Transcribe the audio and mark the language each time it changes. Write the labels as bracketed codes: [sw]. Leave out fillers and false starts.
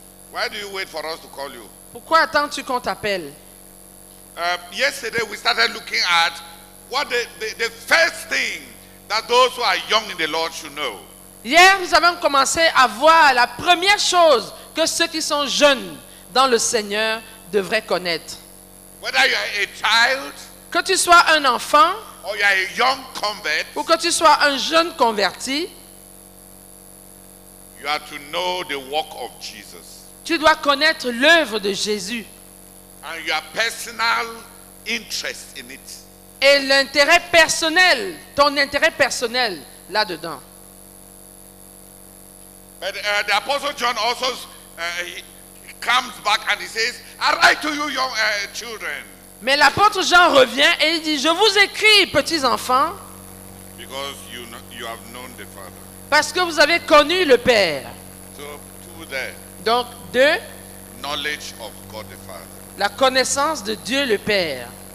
[en] Why do you wait for us to call you? [fr] Pourquoi attends-tu qu'on t'appelle? [en] Yesterday we started looking at what the first thing that those who are young in the Lord should know. [fr] Hier, nous avons commencé à voir la première chose que ceux qui sont jeunes dans le Seigneur devraient connaître. [en] Whether you are a child, [fr] que tu sois un enfant, [en] or you are a young convert, [fr] ou que tu sois un jeune converti, [en] you are to know the work of Jesus. [fr] Tu dois connaître l'œuvre de Jésus. [en] And your personal interest in it. [fr] Et l'intérêt personnel, ton intérêt personnel là-dedans. [en] But the apostle John also he comes back and he says, I write to you young children. [fr] Mais l'apôtre Jean revient et il dit, je vous écris petits enfants. [en] Because you have known the Father. [fr] Parce que vous avez connu le Père. [en] So to there. [fr] Donc deux, [en] knowledge of God the Father. [fr] La connaissance de Dieu le Père.